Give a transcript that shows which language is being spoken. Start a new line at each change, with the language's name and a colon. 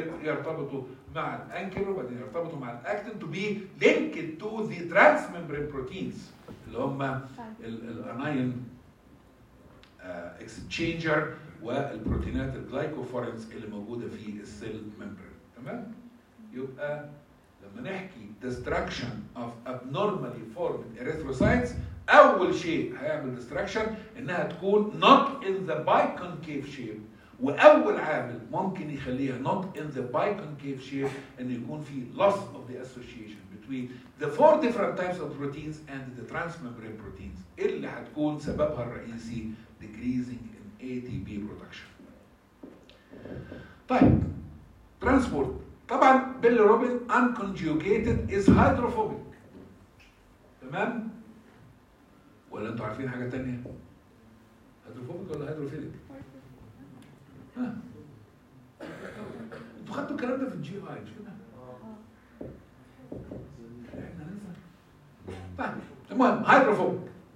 Arabic: يرتبطوا مع الأنكر، وبعدين يرتبطوا مع الأكتين
English: to be linked to the transmembrane proteins
Arabic: اللي هم الأنايون exchanger والبروتينات الجلايكوفورينز اللي موجوده في السيل ممبرين. تمام؟ يبقى لما نحكي
English: destruction of abnormally formed erythrocytes
Arabic: اول شيء هيعمل
English: destruction
Arabic: انها تكون
English: not in the biconcave shape،
Arabic: واول عامل ممكن يخليها
English: not in the biconcave shape
Arabic: ان يكون في
English: loss of the association between the four different types of proteins and the transmembrane proteins
Arabic: اللي هتكون سببها الرئيسي
English: decreasing ATP production. طيب transport طبعا bilirubin unconjugated is hydrophobic.
Arabic: تمام؟ ولا انتوا عارفين حاجة تانية؟ hydrophobic ولا hydrophilic؟ ها؟ انتوا خدتوا الكلام ده في الجي اي مش كده؟ طيب المهم hydrophobic.